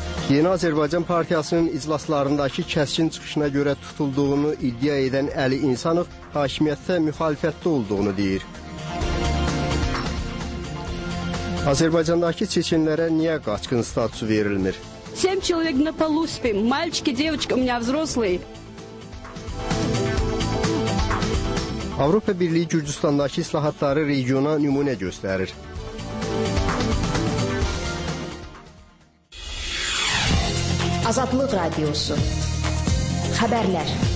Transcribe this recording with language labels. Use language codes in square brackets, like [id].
[az] Yeni Azərbaycan Partiyasının iclaslarındakı kəskin çıxışına görə tutulduğunu iddia edən Əli İnsanov, hakimiyyətdə müxalifətdə olduğunu deyir. Azərbaycandakı çeçinlərə niyə qaçqın statusu verilmir? [ru] 7 человек на полу спим. Мальчики, девочки, у меня взрослые. [az] Avropa Birliği Gürcüstandakı islahatları regiona nümunə göstərir. Azadlıq Radiosu. Xəbərlər.